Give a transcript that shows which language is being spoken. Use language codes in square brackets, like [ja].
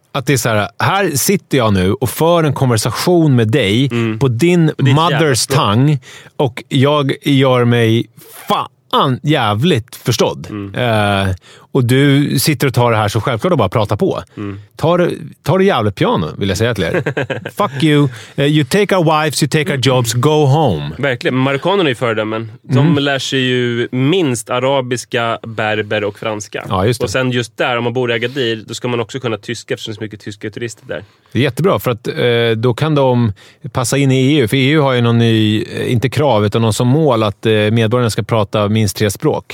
[sv] Att det är så här, här sitter jag nu och för en konversation med dig på din [en] mother's tongue [sv] och jag gör mig fan jävligt förstådd. Och du sitter och tar det här så självklart och bara pratar på. Ta det jävligt piano, vill jag säga till er. [en] Fuck you. You take our wives, you take our jobs, go home. [sv] Verkligen, marokkanerna är ju föredömen. De lär sig ju minst arabiska, berber och franska. Ja, just det. Och sen just där, om man bor i Agadir, då ska man också kunna tyska eftersom det är så mycket tyska turister där. Det är jättebra, för att då kan de passa in i EU. För EU har ju någon ny, inte krav, utan någon som mål att medborgarna ska prata minst tre språk.